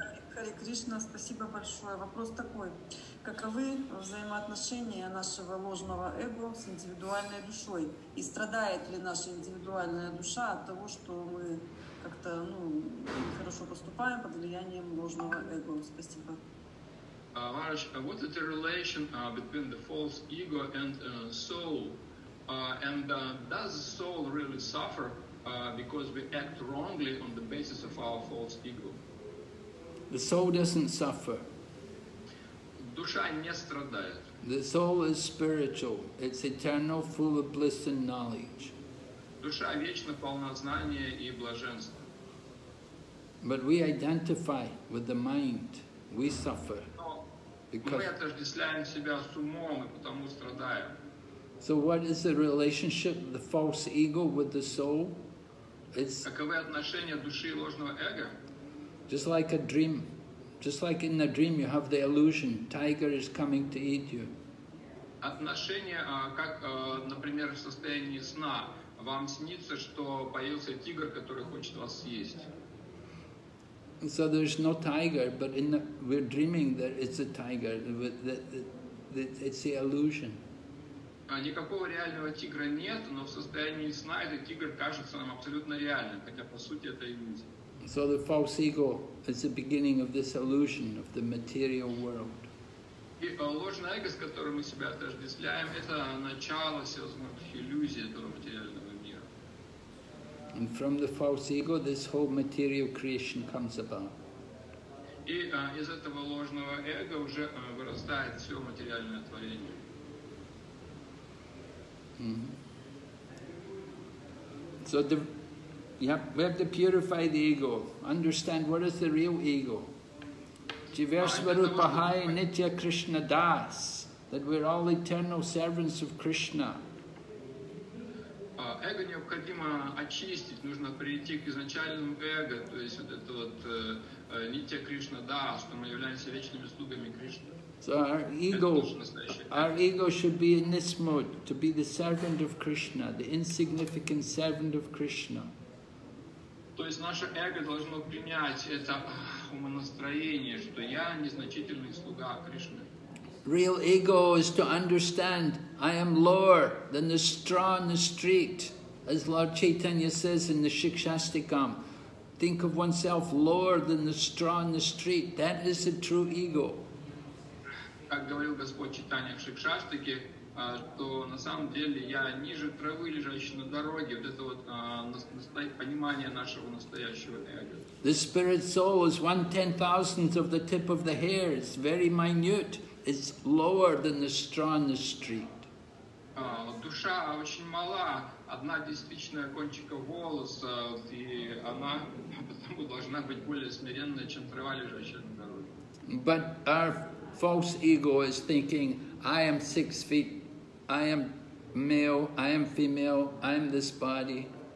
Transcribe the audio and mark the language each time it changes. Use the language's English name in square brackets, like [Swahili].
[Russian] Хари Кришна, спасибо большое. Вопрос такой. Каковы взаимоотношения нашего ложного эго с индивидуальной душой? И страдает ли наша индивидуальная душа от того, что мы как-то хорошо поступаем под влиянием ложного эго? Спасибо. [English] Maharaj, what is the relation between the false ego and soul? Does the soul really suffer because we act wrongly on the basis of our false ego? The soul doesn't suffer. [Russian] Душа не страдает. [English] The soul is spiritual. It's eternal, full of bliss and knowledge. [Russian] Душа вечно полна знания и блаженства. [English] But we identify with the mind. We suffer. Because... [Russian] Мы отождествляем себя с умом и потому страдаем. [English] So what is the relationship of the false ego with the soul? [Russian] Каковы отношения души и ложного эго? [English] Just like a dream, just like in the dream you have the illusion, tiger is coming to eat you. [Russian] Отношения, как, например, в состоянии сна, вам снится, что появился тигр, который хочет вас съесть. [English] So there's no tiger, but in the, we're dreaming that it's a tiger, it's the illusion. [Russian] Никакого реального тигра нет, но в состоянии сна этот тигр кажется нам абсолютно реальным, хотя по сути это иллюзия. [English] So the false ego is the beginning of this illusion of the material world. [Russian] И ложное эго, с которым мы себя отождествляем, это начало всевозможных иллюзий этого материального мира. [English] And from the false ego, this whole material creation comes about. [Russian] И из этого ложного эго уже вырастает все материальное творение. [English] So the Yep, we have to purify the ego. Understand what is the real ego. [Sanskrit] Jivasvarupahai Nitya Krishna Das, [English] that we're all eternal servants of Krishna. [Russian] Эго необходимо очистить, нужно прийти к изначальному эго, то есть вот это вот Нитья Кришна Дас, что мы являемся вечными слугами Кришны. [English] So our ego should be in this mode, to be the servant of Krishna, the insignificant servant of Krishna. [Russian] То есть наше эго должно принять это умонастроение, что я незначительный слуга Кришны. [English] Real ego is to understand I am lower than the straw in the street, as Lord Chaitanya says in the Shikshastikam. Think of oneself lower than the straw in the street. That is the true ego. [Russian] Как говорил Господь Чайтанья в Шикшастике, что на самом деле я ниже травы, лежащей на дороге, вот это вот понимание нашего настоящего эго. [English] The spirit soul is 1/10,000 of the tip of the hair, it's very minute, it's lower than the straw in the street. [Russian] Душа очень мала, 1/10 кончика волоса, и она потому должна быть более смиренной, чем трава, лежащая на дороге. [English] But our false ego is thinking, I am 6 feet, I am male, I am female, I am this body.